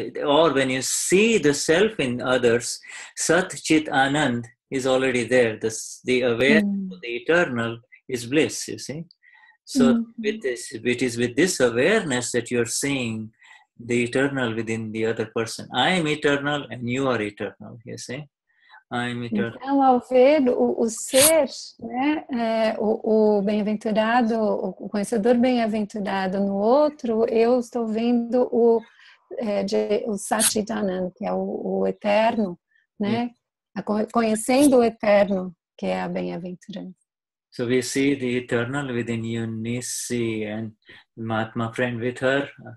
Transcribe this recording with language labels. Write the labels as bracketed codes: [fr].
[en] Or when you see the self in others, Sat Chit Anand, is already there. The awareness of the eternal is bliss, you see. So with this, it is with this awareness that you are seeing the eternal within the other person. I am eternal and you are eternal, you see. I am eternal. [pt] Então, ao ver o ser, né, o bem-aventurado, o conhecedor bem-aventurado no outro, eu estou vendo o Satchitananda, que é o eterno, né? Yeah. Conhecendo o eterno, que é a bem-aventurança. [en] So we see the eternal within Eunice and Mahatma friend with her.